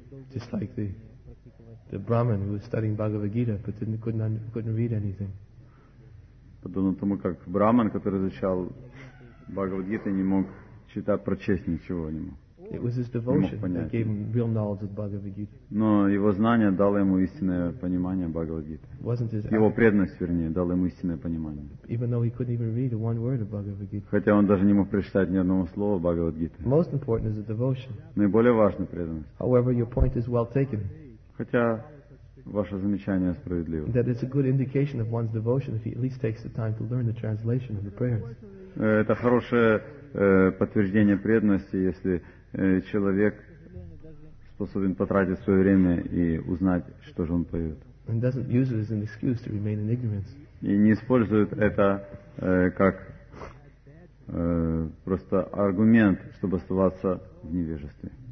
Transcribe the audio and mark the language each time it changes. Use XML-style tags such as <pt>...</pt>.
<en>Just like the Brahmin who was studying Bhagavad Gita but couldn't read anything.</en> <ru>Подобно тому, как Брахман, который изучал Бхагавад-гиту, не мог читать, прочесть ничего, не мог.</ru> <en>It was his devotion that gave him real knowledge of Bhagavad-gita.</en> <ru>Но его знание дало ему истинное понимание Бхагавад-гиты. Его преданность, вернее, дала ему истинное понимание.</ru> <en>Even though he couldn't even read one word of Bhagavad-gita.</en> <ru>Хотя он даже не мог прочитать ни одного слова Бхагавад-гиты.</ru> <en>Most important is the devotion.</en> <ru>Наиболее важна преданность.</ru> <en>However, your point is well taken.</en> <ru>Хотя ваше замечание справедливо.</ru> <en>That it's a good indication of one's devotion if he at least takes the time to learn the translation of the prayers.</en> <ru>Это хорошее подтверждение преданности, если человек способен потратить свое время и узнать, что же он поет.</ru> <en>And doesn't use it as an excuse to remain in ignorance.</en> <ru>И не использует это как просто аргумент, чтобы оставаться в невежестве.</ru>